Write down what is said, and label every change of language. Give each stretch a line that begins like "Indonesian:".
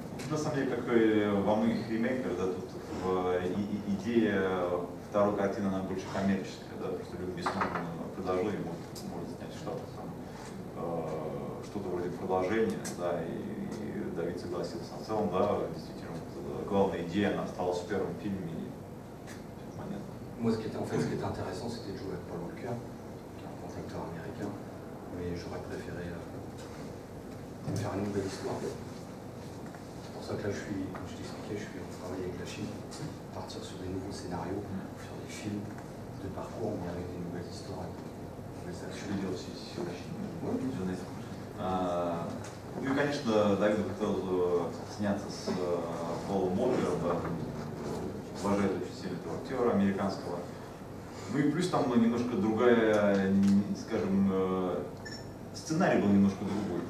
Russian: На самом деле, как и во многих ремейках, да, тут идея второй картины, она больше коммерческая, да, просто Люк Бессон предложил ему, может снять что-то там, что-то вроде продолжения, да, и Давид согласился. В целом, да, действительно, главная идея, она осталась в первом фильме, и все понятно.
French: Moi, ce qui était, en fait, ce qui était intéressant, c'était de jouer avec Paul Walker, qui est un grand acteur américain, mais j'aurais préféré faire une nouvelle histoire. C'est pour ça que là, comme je t'expliquais, je suis en travail avec la Chine, partir sur des nouveaux scénarios, sur des films de parcours, mais avec des nouvelles histoires. Mais ça, je voulais dire aussi sur la Chine, oui. Sur Netflix.
Russian: Oui, конечно, David хотел сняться с Полом Уокером, уважает очень сильно этого актера американского. Ну и плюс там немножко другая, скажем, сценарий был немножко другой.